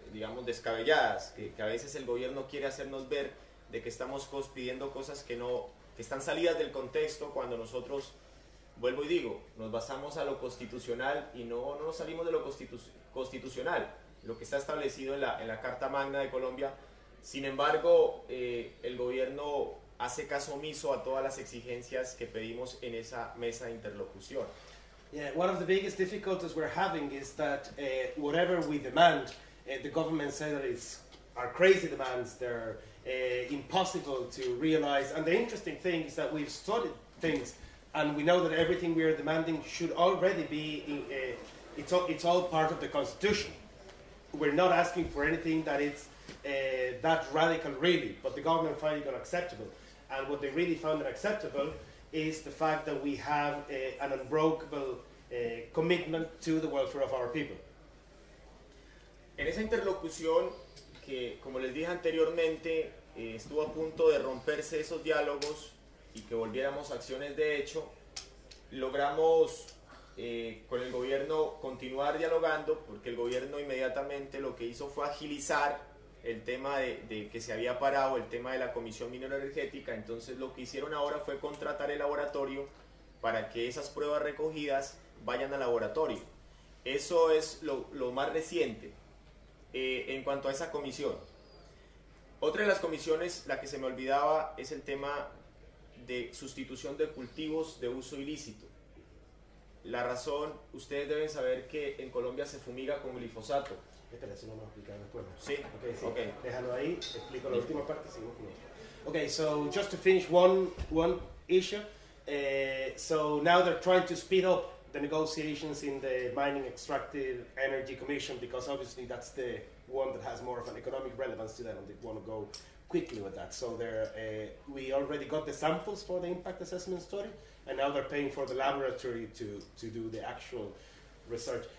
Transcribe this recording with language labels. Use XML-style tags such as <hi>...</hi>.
<es>digamos, descabelladas, que a veces el gobierno quiere hacernos ver de que estamos pidiendo cosas que no, que están salidas del contexto, cuando nosotros, vuelvo y digo, nos basamos a lo constitucional y no salimos de lo constitucional, lo que está establecido en la Carta Magna de Colombia. Sin embargo, el gobierno hace caso omiso a todas las exigencias que pedimos en esa mesa de interlocución.</es> <en>Yeah, one of the biggest difficulties we're having is that whatever we demand, the government says that it's our crazy demands, they're impossible to realize. And the interesting thing is that we've studied things and we know that everything we are demanding should already be, it's all part of the Constitution. We're not asking for anything that it's that radical, really, but the government find it unacceptable. And what they really found unacceptable is the fact that we have an unbreakable commitment to the welfare of our people.</en> <es>En esa interlocución, que como les dije anteriormente, estuvo a punto de romperse esos diálogos y que volviéramos a acciones de hecho, logramos con el gobierno continuar dialogando, porque el gobierno inmediatamente lo que hizo fue agilizar el tema de que se había parado el tema de la Comisión Minera Energética. Entonces lo que hicieron ahora fue contratar el laboratorio para que esas pruebas recogidas vayan al laboratorio. Eso es lo más reciente en cuanto a esa comisión. Otra de las comisiones, la que se me olvidaba, es el tema de sustitución de cultivos de uso ilícito. La razón, ustedes deben saber que en Colombia se fumiga con glifosato. Espera, eso no me lo explicaré después. Sí. Okay, sí, ok, déjalo ahí, explico la última parte, sigo con esto.</es> <en>Ok, so just to finish one issue. So now they're trying to speed up the negotiations in the Mining Extractive Energy Commission, because obviously that's the one that has more of an economic relevance to them, and they want to go quickly with that. So we already got the samples for the impact assessment study, and now they're paying for the laboratory to do the actual research.</en>